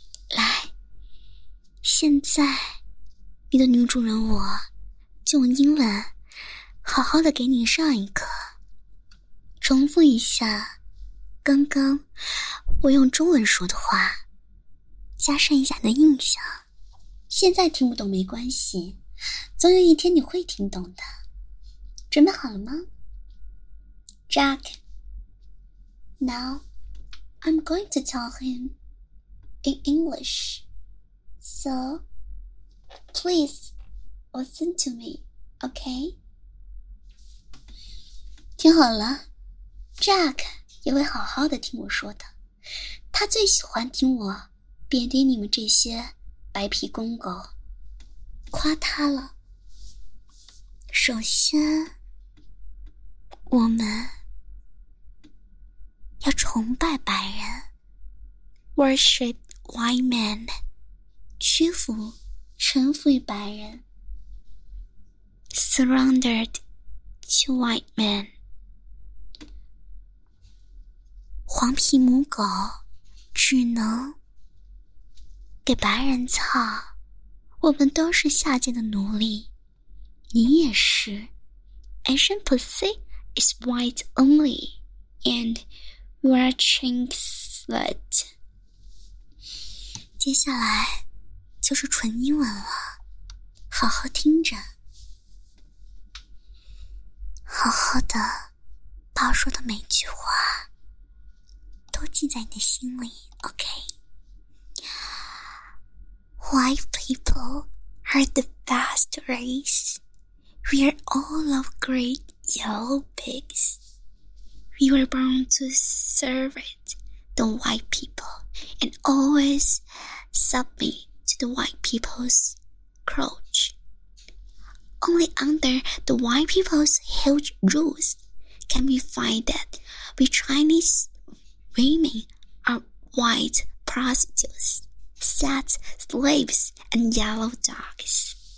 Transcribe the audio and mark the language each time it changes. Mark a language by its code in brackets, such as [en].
[zh] 来，现在你的女主人我就用英文好好的给你上一课，重复一下刚刚我用中文说的话，加深一下你的印象。现在听不懂没关系，总有一天你会听懂的。准备好了吗？ [en] Jack, now I'm going to tell him in English, so please listen to me, okay? [zh] 听好了， [en] Jack [zh] 也会好好的听我说的。他最喜欢听我贬低你们这些白皮公狗，夸他了。首先，我们要崇拜白人， [en] worship white man， [zh] 臣服于白人。 [en] Surrendered to white man， [zh] 黄皮母狗只能给白人操，我们都是下贱的奴隶，你也是。 [en] Asian pussy is white only, and we are chink slut。 [zh] 接下来就是纯英文了，好好听着。好好的，把我说的每句话都记在你的心里，OK？ [en] White people are the best race. We are all of great yellow pigs. We were born to serve it, the white people, and always submit to the white people's crotch. Only under the white people's huge rules can we find that we Chinese women are white prostitutes, sex slaves, and yellow dogs.